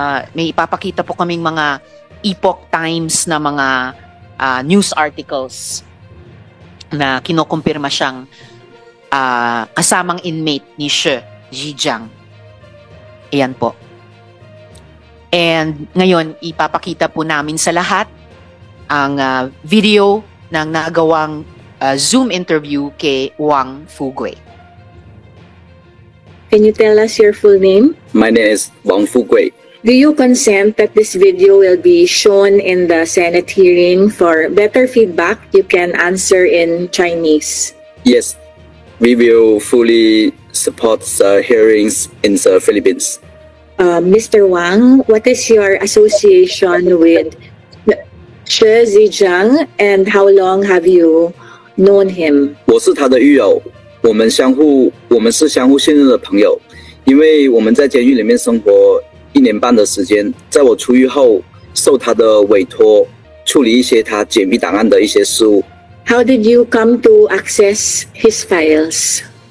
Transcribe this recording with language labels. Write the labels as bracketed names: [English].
[Filipino] May ipapakita po kaming mga Epoch Times na mga news articles na kinokumpirma siyang kasamang inmate ni Xie Zijiang. Ayan po. And ngayon, ipapakita po namin sa lahat ang video ng nagawang Zoom interview kay Wang Fugue. [English] Can you tell us your full name? My name is Wang Fugue. Do you consent that this video will be shown in the Senate hearing? For better feedback, you can answer in Chinese. Yes. We will fully support the hearings in the Philippines. Mr. Wang, what is your association with Xie Zijiang and how long have you known him? [Chinese] 我是他的狱友，我们是相互信任的朋友，因为我们在监狱里面生活1.5年的时间，在我出狱后，受他的委托处理一些他解密档案的一些事务。 [English] How did you come to access his files?